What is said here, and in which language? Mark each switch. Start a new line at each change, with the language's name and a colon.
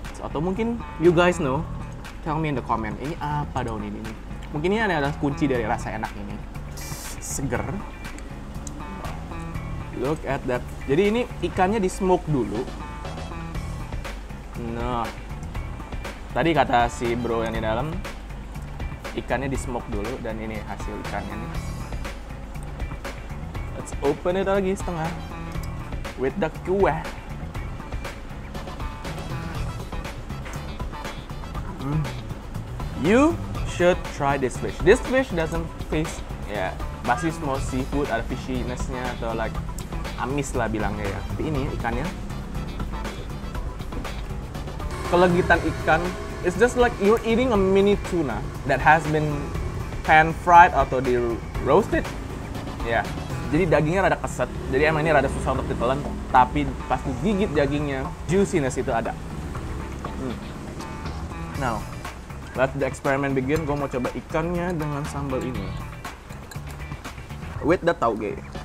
Indonesian: Atau mungkin
English: you guys know, tell me in the comment.
Indonesian: Ini apa daun ini nih? Mungkin ini adalah kunci dari rasa enak ini. Seger.
English: Look at that.
Indonesian: Jadi ini ikannya di smoke dulu. Nah, tadi kata si bro yang di dalam, ikannya di smoke dulu dan ini hasil ikannya nih.
English: Let's open it
Indonesian: lagi setengah
English: with the kueh. You should try this fish. This fish doesn't taste,
Indonesian: masih small seafood, ada fishiness-nya atau like amis lah bilangnya ya. Tapi ini ikannya, kelegitan ikan.
English: It's just like you're eating a mini tuna that has been pan fried
Indonesian: atau di roasted. Jadi dagingnya rada keset. Jadi emang ini rada susah untuk ditelan. Tapi pas digigit dagingnya, juiciness itu ada.
English: Now, let the experiment begin.
Indonesian: Gue mau coba ikannya dengan sambal ini.
English: With the tauge.